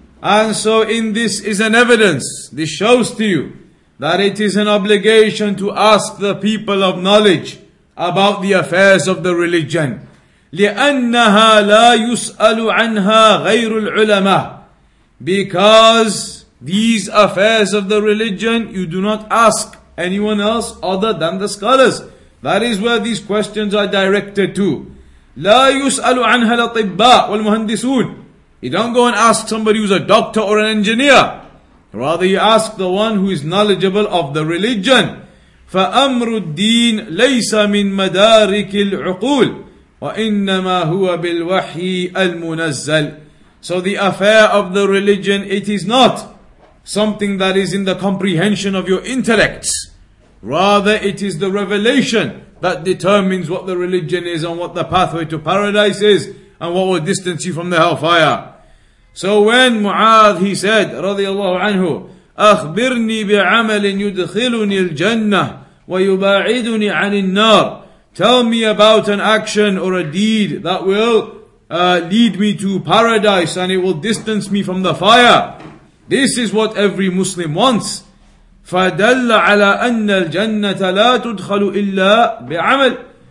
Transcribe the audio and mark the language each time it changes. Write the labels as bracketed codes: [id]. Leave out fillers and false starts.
[en] And so in this is an evidence, this shows to you that it is an obligation to ask the people of knowledge about the affairs of the religion. [ar] لِأَنَّهَا لَا يُسْأَلُ عَنْهَا غَيْرُ الْعُلَمَةِ. [en] Because these affairs of the religion, you do not ask anyone else other than the scholars. That is where these questions are directed to. [ar] لا يسأل عنها الأطباء والمهندسون. [en] You don't go and ask somebody who's a doctor or an engineer. Rather you ask the one who is knowledgeable of the religion. [ar] فَأَمْرُ الدِّينِ لَيْسَ مِن مَدَارِكِ الْعُقُولِ وَإِنَّمَا هُوَ بِالْوَحْيِ الْمُنَزَّلِ. [en] So the affair of the religion, it is not something that is in the comprehension of your intellects. Rather, it is the revelation that determines what the religion is and what the pathway to paradise is and what will distance you from the hellfire. So when Muadh, he said, radiallahu anhu, [ar] أخبرني بعمل يدخلني الجنة ويباعدني عن النار. [en] Tell me about an action or a deed that will lead me to paradise and it will distance me from the fire. This is what every Muslim wants. [ar] فَدَلَّ عَلَىٰ أَنَّ الْجَنَّةَ لَا تُدْخَلُ إِلَّا بِعَمَلٍ.